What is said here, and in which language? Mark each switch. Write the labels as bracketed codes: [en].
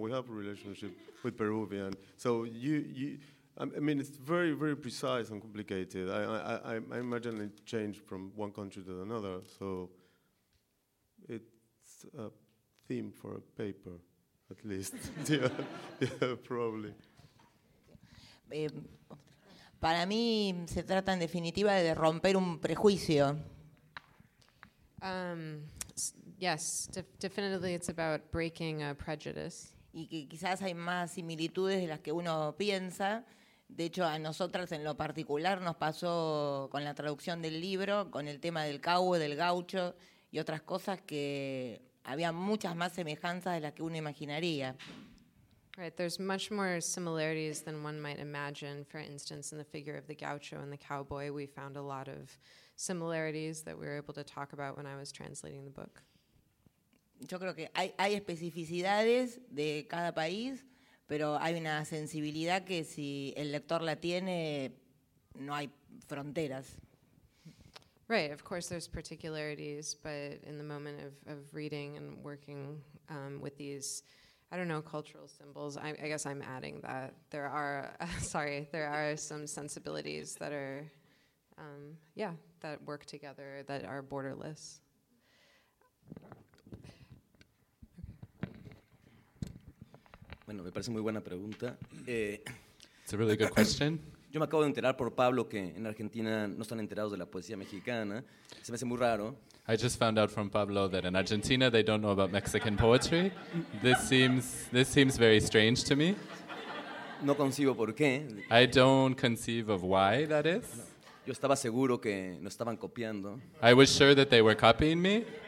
[en] We have a relationship with Peruvian. So I mean, it's very, very precise and complicated. I imagine it changed from one country to another. So it's a theme for a paper, at least. probably. [es] Para mí se trata en definitiva de romper un prejuicio. [en] Yes, definitely it's about breaking a prejudice. [es] Y que quizás hay más similitudes de las que uno piensa. De hecho, a nosotras en lo particular nos pasó con la traducción del libro, con el tema del cowboy, del gaucho y otras cosas que había muchas más semejanzas de las que uno imaginaría. [en] Right, there's much more similarities than one might imagine. For instance, in the figure of the gaucho and the cowboy, we found a lot of similarities that we were able to talk about when I was translating the book. [es] Yo creo que hay especificidades de cada país, pero hay una sensibilidad que si el lector la tiene, no hay fronteras. [en] Right, of course there's particularities, but in the moment of reading and working with these, I don't know, cultural symbols, I guess I'm adding that there are some sensibilities that are, that work together, that are borderless. [es] Bueno, me parece muy buena pregunta. [en] It's a really good question. [es] Yo me acabo de enterar por Pablo que en Argentina no están enterados de la poesía mexicana. Se me hace muy raro. [en] I just found out from Pablo that in Argentina they don't know about Mexican poetry. This seems very strange to me. [es] No concibo por qué. [en] I don't conceive of why that is. [es] No. Yo estaba seguro que no estaban copiando. [en] I was sure that they were copying me.